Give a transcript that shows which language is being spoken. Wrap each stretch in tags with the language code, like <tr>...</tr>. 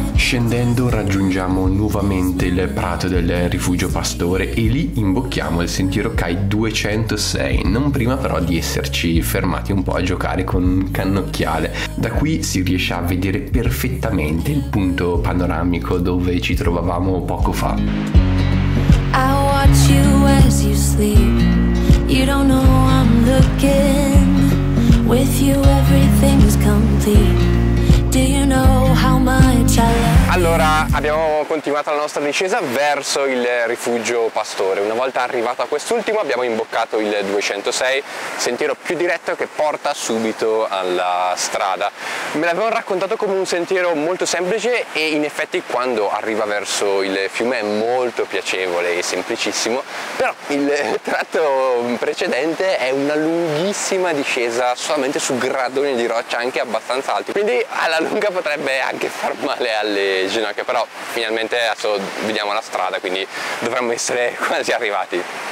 <it>Scendendo raggiungiamo nuovamente il prato del rifugio pastore e lì imbocchiamo il sentiero Kai 206, non prima però di esserci fermati un po' a giocare con un cannocchiale. Da qui si riesce a vedere perfettamente il punto panoramico dove ci trovavamo poco fa.</it> <en>I watch you as you sleep. You don't know I'm looking. With you everything is complete. Do you know how much I love?</en> <it>Allora, abbiamo continuato la nostra discesa verso il rifugio pastore. Una volta arrivato a quest'ultimo abbiamo imboccato il 206, sentiero più diretto che porta subito alla strada. Me l'avevano raccontato come un sentiero molto semplice e in effetti quando arriva verso il fiume è molto piacevole e semplicissimo, però il tratto precedente è una lunghissima discesa solamente su gradoni di roccia anche abbastanza alti, quindi alla lunga potrebbe anche far male alle ginocchia, però finalmente adesso vediamo la strada, quindi dovremmo essere quasi arrivati.</it>